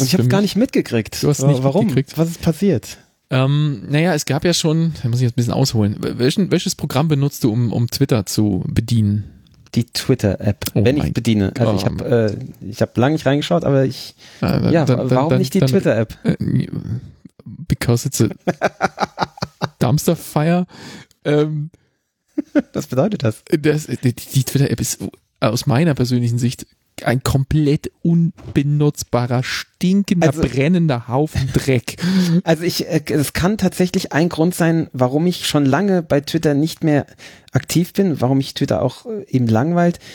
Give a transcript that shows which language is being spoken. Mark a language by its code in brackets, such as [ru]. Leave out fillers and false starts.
[de] Und ich habe es gar nicht mitgekriegt. Du hast nicht warum? Mitgekriegt. Was ist passiert? Es gab ja schon, da muss ich jetzt ein bisschen ausholen. Welches Programm benutzt du, um Twitter zu bedienen? Die Twitter-App, ich es bediene. Also ich hab lange nicht reingeschaut, aber ich. Warum Twitter-App? [en] Because it's a dumpster fire. [de] Was bedeutet das? Die Twitter-App ist aus meiner persönlichen Sicht ein komplett unbenutzbarer, stinkender, brennender Haufen Dreck. Also es kann tatsächlich ein Grund sein, warum ich schon lange bei Twitter nicht mehr aktiv bin, warum mich Twitter auch eben langweilt.